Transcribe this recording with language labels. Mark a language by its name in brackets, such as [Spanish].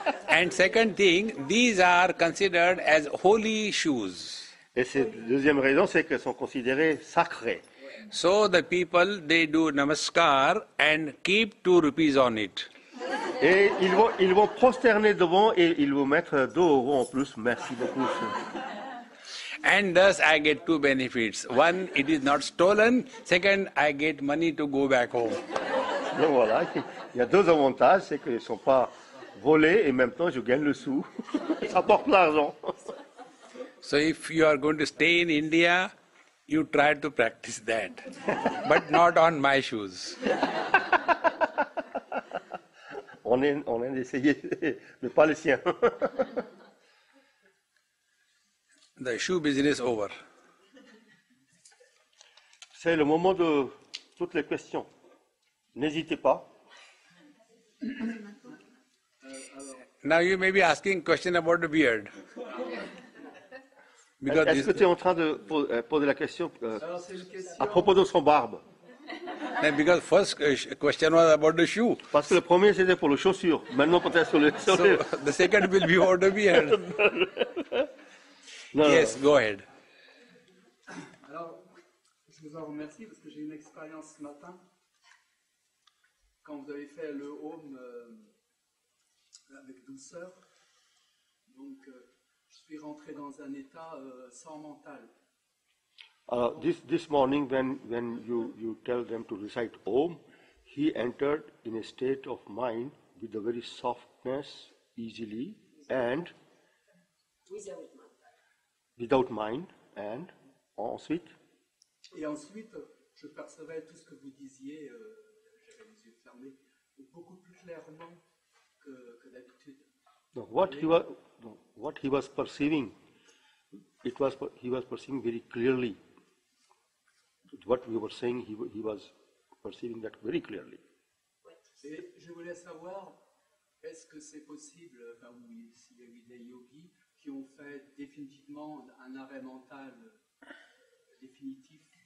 [English] And second thing, these are considered as holy shoes. [French] Et c'est deuxième raison, c'est qu'elles sont considérées sacrées. [English] So the people, they do namaskar and keep 2 rupees on it. [French] Et ils vont prosterner devant et ils vont mettre 2 euros en plus. Merci beaucoup. [English] And thus I get 2 benefits. One, it is not stolen. Second, I get money to go back home. [French] Donc voilà, il y a 2 avantages, c'est qu'ils ne sont pas volés et en même temps je gagne le sou. Ça porte l'argent. [English] So if you are going to stay in India, you try to practice that. But not on my shoes. [French] On est essayé, mais pas le sien. [English] The shoe business over. [French] C'est le moment de toutes les questions. N'hésitez pas. [English] Now you may be asking question about the beard. Because [French] est-ce que tu es en train de poser la question, question à propos de son barbe? [English] And because first question was about the shoe. [French] Parce que le premier c'était pour le chaussure. Maintenant peut-être sur le. [English] So the second will be about the beard. No. Yes, go ahead. [French] Alors, je vous en remercie parce que j'ai une expérience ce matin. Quand vous avez fait le home avec douceur, donc je suis rentré dans un état sans mental. [English] Alors, this morning when you tell them to recite home, he entered in a state of mind with a very softness easily and without mind, and ensuite. [French] Et ensuite, je percevais tout ce que vous disiez, j'avais les yeux fermés, beaucoup plus clairement que d'habitude. [English] Donc, what he was perceiving, he was perceiving very clearly. What we were saying, he was perceiving that very clearly. [French] Et je voulais savoir, est-ce que c'est possible, oui, s'il y a eu des yogis qui ont fait définitivement un arrêt mental définitif.